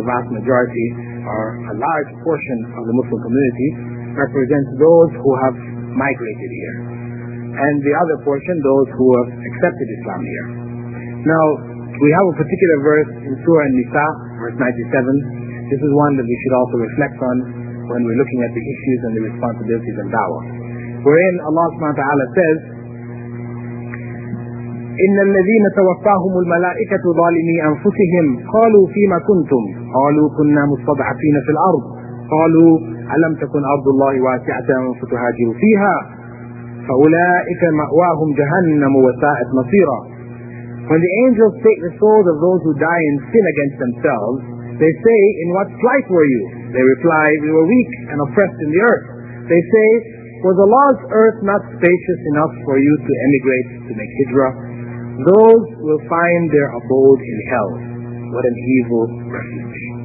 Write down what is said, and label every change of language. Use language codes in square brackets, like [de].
[en] The vast majority, or a large portion of the Muslim community, represents those who have migrated here, and the other portion, those who have accepted Islam here. Now, we have a particular verse in Surah An-Nisa, verse 97. This is one that we should also reflect on when we're looking at the issues and the responsibilities of da'wah. Wherein Allah subhanahu wa ta'ala says, [ar] إِنَّ الَّذِينَ تَوَفَّاهُمُ الْمَلَائِكَةُ ظَالِمِي أَنفُسِهِمْ قَالُوا فِيمَ كُنْتُمْ قَالُوا كُنَّا مُسْتَضْعَفِينَ فِي الْأَرْضِ قَالُوا أَلَمْ تَكُنْ أَرْضُ اللَّهِ وَاسِعَةً فَتُهَاجِرُوا فِيهَا فَأُولَئِكَ مَأْوَاهُمْ جَهَنَّمُ وَسَاءَتْ مَصِيرًا. [en] When the angels take the souls of those who die in sin against themselves, they say, in what plight were you? They reply, we were weak and oppressed in the earth. They say, was Allah's earth not spacious enough for you to emigrate to make hijra? Those will find their abode in hell. What an evil refuge.